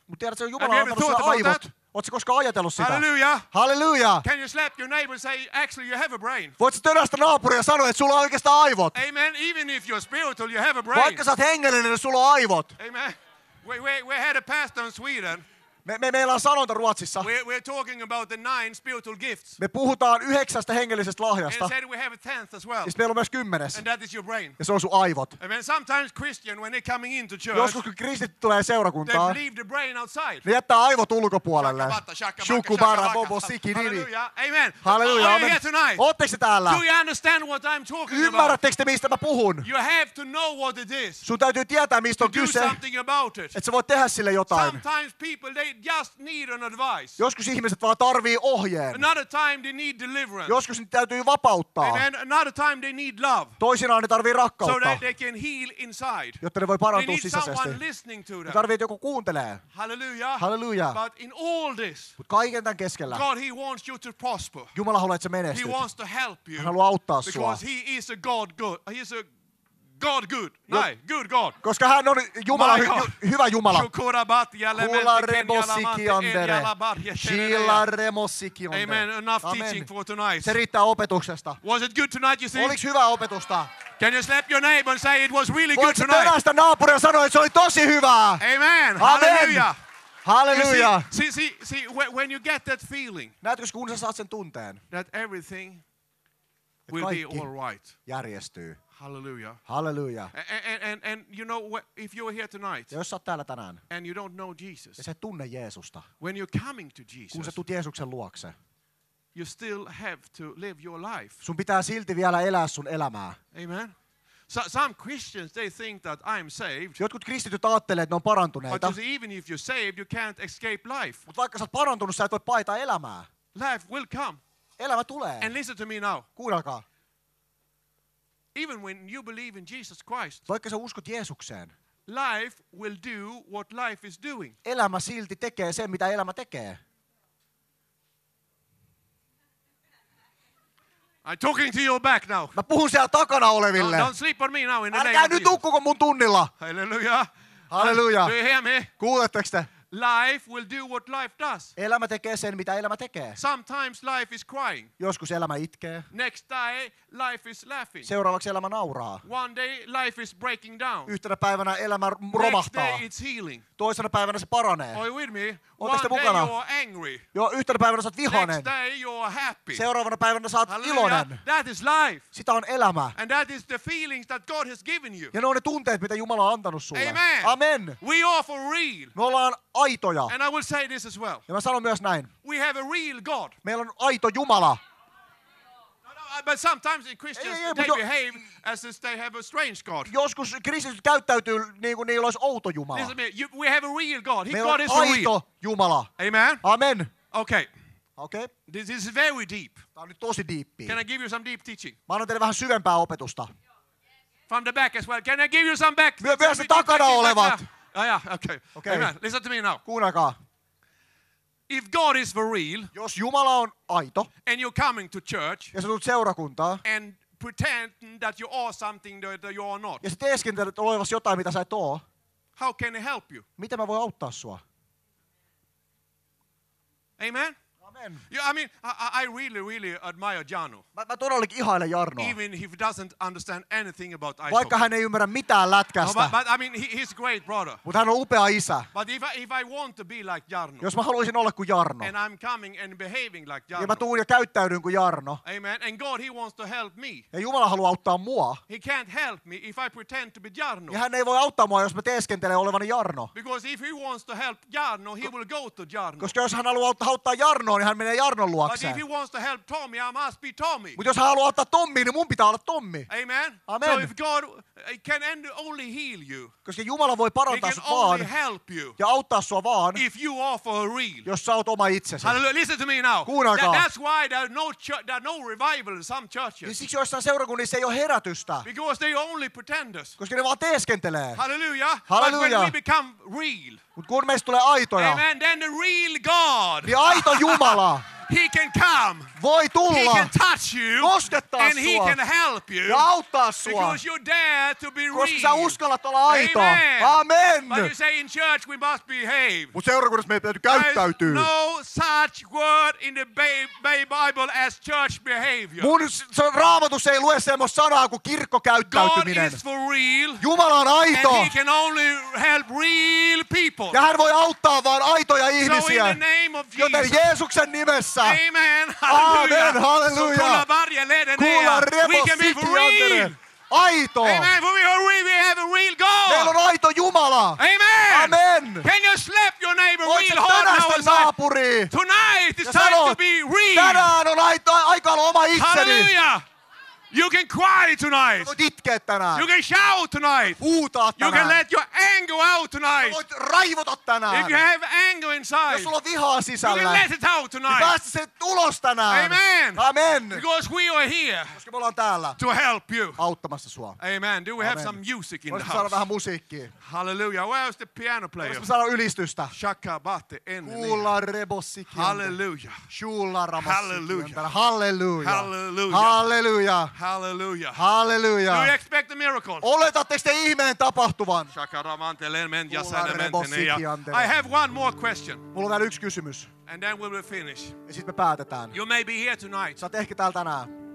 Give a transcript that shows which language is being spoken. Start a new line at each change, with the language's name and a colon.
Finnish: Mutta tiedätkö, Jumala on antanut sinulle aivot. Oletko koskaan ajatellut sitä? Hallelujah. Hallelujah.
English: Can you slap your neighbor and say, actually, you have a brain?
Finnish: Voitko törästä naapuria ja sanoa, että sulla on oikeastaan aivot? Amen.
English: Even if you're spiritual, you have a brain.
Finnish: Vaikka sä oot hengellinen, sulla on aivot. Amen.
English: We had a pastor in Sweden.
Finnish: Meillä on sanonta Ruotsissa.
English: We're talking about the 9 spiritual gifts.
Finnish: Me puhutaan 9 hengellisestä lahjasta.
English: And said we have a 10th as well.
Finnish: Ja meillä on myös 10.
English: And that is your brain.
Finnish: Ja se on sun aivot. Amen.
English: Sometimes Christian when they're coming into church.
Finnish: Joskus kun kristit tulee seurakuntaan.
English: They leave the brain outside.
Finnish: Ne jättää aivot ulkopuolelle. Shukubara bobo siki diri. Amen. Halleluja. Amen. Ootteko täällä?
English: Do you understand what I'm talking about?
Finnish: Ymmärrättekö te mistä mä puhun?
English: You have to know what it is.
Finnish: Sun täytyy tietää mistä on kyse.
English: Do something about it.
Finnish: Et sä voit tehdä sille jotain.
English: Sometimes people they just need an advice.
Finnish: Joskus ihmiset vaan tarvii ohjeen.
English: Another time they need deliverance.
Finnish: Joskus niitä täytyy vapauttaa.
English: And another time they need love.
Finnish: Toisinaan ne tarvii rakkautta.
English: So that they can heal inside.
Finnish: Jotta ne voi parantua sisäisesti.
English: They need someone listening to them.
Finnish: Ne tarvii, että joku kuuntelee. Hallelujah. Hallelujah.
English: But in all this.
Finnish: Mut kaiken tämän keskellä.
English: God he wants you to prosper.
Finnish: Jumala haluaa että sä menestyt.
English: He wants to help you.
Finnish: Hän haluaa auttaa sua.
English: Because he is a God good. He is a God good. No, good God.
Finnish: Koska hän on Jumala, hyvä Jumala. Kula remosiki andere. Shila remosiki andere. Amen.
English: Enough teaching for tonight.
Finnish: Se riittää opetuksesta.
English: Was it good tonight, you think?
Finnish: Oliko hyvä opetusta?
English: Can you slap your neighbor and say it was really good tonight?
Finnish: Voitko tönästä naapuria sanoa, että se oli tosi hyvää? Amen. Hallelujah. Hallelujah.
English: See, when you get that feeling.
Finnish: Näetkö, kun sä saat sen tunteen?
English: That everything will be all right.
Finnish: Järjestyy. Hallelujah. Hallelujah.
English: And you know if you're here tonight.
Finnish: Jos sä oot täällä tänään.
English: And you don't know Jesus.
Finnish: Ja sä et tunne Jeesusta.
English: When you're coming to Jesus.
Finnish: Kun sä tuut Jeesuksen luokse.
English: You still have to live your life.
Finnish: Sun pitää silti vielä elää sun elämää. Amen.
English: So some Christians they think that I'm saved.
Finnish: Jotkut kristityt ajattelee että ne on parantuneita.
English: But even if you're saved, you can't escape life.
Finnish: Mut vaikka sä oot parantunut, sä et voi paeta elämää.
English: Life will come.
Finnish: Elämä tulee.
English: And listen to me now.
Finnish: Kuunnelkaa.
English: Even when you believe in Jesus Christ.
Finnish: Vaikka sä uskot Jeesukseen.
English: Life will do what life is doing.
Finnish: Elämä silti tekee sen mitä elämä tekee.
English: I'm talking to your back now.
Finnish: Mä puhun siellä takana oleville.
English: No, don't sleep on me now in the
Finnish: Älkää nyt nukkuko mun tunnilla. Hallelujah. Hallelujah.
English: Do you hear me?
Finnish: Kuuletteko te?
English: Life will do what life does.
Finnish: Elämä tekee sen, mitä elämä tekee.
English: Sometimes life is crying.
Finnish: Joskus elämä itkee.
English: Next day life is laughing.
Finnish: Seuraavaksi elämä nauraa.
English: One day life is breaking down.
Finnish: Yhtenä päivänä elämä romahtaa.
English: Next day it's healing.
Finnish: Toisena päivänä se paranee.
English: Are you with me?
Finnish: Oletteko mukana?
English: One day you are angry.
Finnish: Joo, yhtenä päivänä saat vihanen.
English: Next day you are happy.
Finnish: Seuraavana päivänä saat iloinen.
English: That is life.
Finnish: Sitä on elämä.
English: And that is the feelings that God has given you.
Finnish: Ja ne on ne tunteet, mitä Jumala on antanut sulle. Amen. Amen. We are for real. Me ollaan aitoja. And I will say this as well. Ja mä sanon myös näin. We have a real God. Meillä on aito Jumala. But sometimes in Christians they behave as if they have a strange God. Joskus kristityt käyttäytyy niin kuin niillä olisi outo Jumala. Listen to me, we have a real God. Meillä on aito Jumala. Amen. Amen. Okay. Okay.
English: This is very deep.
Finnish: Tämä on nyt tosi diippiä.
English: Can I give you some deep teaching?
Finnish: Mä annan teille vähän syvempää opetusta.
English: From the back as well. Can I give you some back?
Finnish: Myös ne takana olevat.
English: Oh yeah, okay. Okay. Amen. Listen to me now.
Finnish: Kuunnakaa.
English: If God is for real,
Finnish: jos Jumala on aito,
English: and you're coming to church,
Finnish: ja sä tulet seurakuntaa,
English: and pretend that you are something that you are not,
Finnish: ja sä teeskentelet olevasi jotain, mitä sä et oo,
English: how can I help you?
Finnish: Miten mä voin auttaa sua? Amen? Amen.
English: Yeah, I mean, I really, really admire Janu.
Finnish: Mä todellakin ihailen Jarnoa.
English: Even if he doesn't understand anything about ice
Finnish: Vaikka
English: hockey.
Finnish: Hän ei ymmärrä mitään lätkästä.
English: No, but I mean, he's a great brother.
Finnish: Mutta hän on upea isä.
English: But if I want to be like Jarno.
Finnish: Jos mä haluaisin olla kuin Jarno.
English: And I'm coming and behaving like Jarno.
Finnish: Ja mä tuun ja käyttäydyn kuin Jarno. Amen.
English: And God, he wants to help me.
Finnish: Ja Jumala haluaa auttaa mua.
English: He can't help me if I pretend to be Jarno.
Finnish: Ja hän ei voi auttaa mua, jos mä teeskentelen olevani Jarno.
English: Because if he wants to help Jarno, he will go to Jarno.
Finnish: Koska jos hän haluaa auttaa Jarnoa, niin hän menee Jarnon luokseen.
English: But if he wants to help Tommy, I must be Tommy.
Finnish: Mutta jos hän haluaa ottaa Tommi, niin mun pitää olla Tommi. Amen. Amen.
English: So if God can only heal you.
Finnish: Koska Jumala voi parantaa
English: he
Finnish: sut vaan.
English: Help you
Finnish: ja auttaa sua vaan.
English: If you are for real.
Finnish: Jos sä oot oma itsesi.
English: Listen to me now.
Finnish: Kuunnakaa.
English: That's why there are no revival in some churches.
Finnish: Ja siksi joissain seurakunnissa ei ole herätystä.
English: Because they only pretenders.
Finnish: Koska ne vaan teeskentelee. Hallelujah. Hallelujah.
English: But when we become real.
Finnish: Mut kun meistä tulee aitoja.
English: Amen. Then the real God.
Finnish: Niin aito Jumala.
English: He can come.
Finnish: Voi tulla.
English: He can touch you.
Finnish: Koskettaa
English: and
Finnish: sua.
English: And he can help you.
Finnish: Ja auttaa sua.
English: Because you dare to be real.
Finnish: Koska sä uskallat olla aito. Amen.
English: But you say in church we must behave.
Finnish: Mut seurakunnassa meidän täytyy käyttäytyä.
English: There's no such word in the Bible as church behavior.
Finnish: Mun Raamatussa ei lue semmoista sanaa kuin kirkkokäyttäytyminen.
English: God is for real.
Finnish: Jumala on aito.
English: And he can only help real people.
Finnish: Ja hän voi auttaa vaan aitoja ihmisiä.
English: So in the name of Jesus.
Finnish: Joten Jeesuksen nimessä. Amen. Amen. Hallelujah. Kuulla rebo sitten. Aito.
English: Amen. For we have a real God.
Finnish: Meillä on aito Jumala. Amen. Amen.
English: Can you slap your neighbor voit real hard now?
Finnish: Voitko tänästä naapuriin?
English: Tonight is time to be real.
Finnish: Tänään on aika olla oma itseni.
English: Hallelujah. You can cry tonight.
Finnish: Voit itkeä tänään.
English: You can shout tonight.
Finnish: Huutaa tänään.
English: You can let your anger out tonight.
Finnish: Voit raivota tänään.
English: If you have anger inside.
Finnish: Jos sulla on vihaa sisällä.
English: You can let it out tonight.
Finnish: Niin päästä sen ulos tänään. Amen. Amen.
English: Because we are here.
Finnish: Koska me ollaan täällä.
English: To help you.
Finnish: Auttamassa sua. Amen.
English: Do we Amen. Have some music in
Finnish: Voisko saada vähän musiikkia? Hallelujah.
English: Where's the piano player?
Finnish: Voisko saada ylistystä? Shakabate ennen. Kuulla rebossikin. Hallelujah. Shulla ramassikin. Hallelujah. Hallelujah. Hallelujah. Hallelujah. Hallelujah. Hallelujah.
English: Do you expect a miracle?
Finnish: Oletatteko te ihmeen tapahtuvan?
English: I have one more question.
Finnish: Mulla on vielä yksi kysymys.
English: And then we will finish.
Finnish: Ja sit me päätetään.
English: You may be here tonight.
Finnish: Sä oot ehkä täällä tänään.